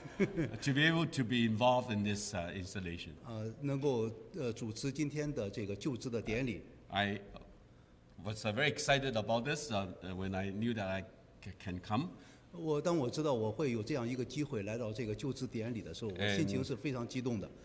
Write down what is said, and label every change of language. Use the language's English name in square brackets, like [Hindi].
[English] to be able to be involved in this installation. [Chinese] 能够主持今天的这个就职的典礼。 [English] I was very excited about this when I knew that I can come. [Chinese] 当我知道我会有这样一个机会来到这个就职典礼的时候，我心情是非常激动的。